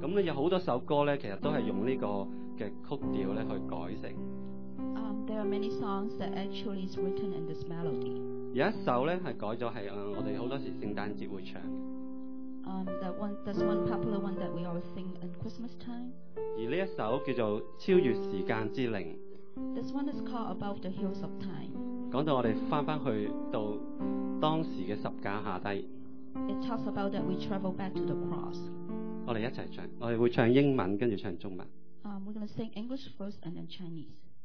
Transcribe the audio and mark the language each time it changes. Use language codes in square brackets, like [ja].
[yue] 咁咧有好多首歌咧，其实都系用呢个嘅曲调咧去改成。 [en] There are many songs that actually is written in this melody. [yue] 有一首咧系改咗系我哋好多时圣诞节会唱嘅。 [en] That's one popular one that we always sing in Christmas time. [yue] 而呢一首叫做《超越时间之灵》。 [en] This one is called Above the Hills of Time. [yue] 讲到我哋翻去到当时嘅十架下低。 [en] It talks about that we travel back to the cross. [yue] 我哋一齐唱，我哋会唱英文，跟住唱中文。 [en] We're gonna sing English first and then Chinese.